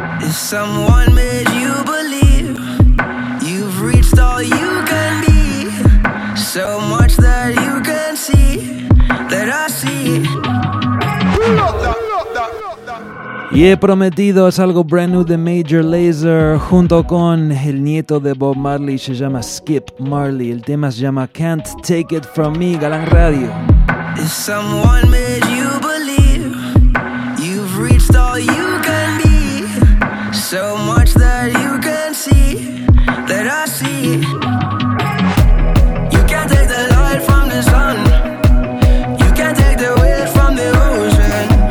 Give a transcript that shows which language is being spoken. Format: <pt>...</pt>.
<en>Someone made you believe you've reached all you can be. So much that you can see that I see.</en> <es>Y he prometido, es algo</es> <en>brand new</en> <es>de Major Lazer junto con el nieto de Bob Marley, se llama Skip Marley. El tema se llama Can't Take It From Me, Galán Radio.</es> <en>If someone made you believe you've reached all you can be. So much that you can see, that I see. You can't take the light from the sun. You can't take the wind from the ocean.</en>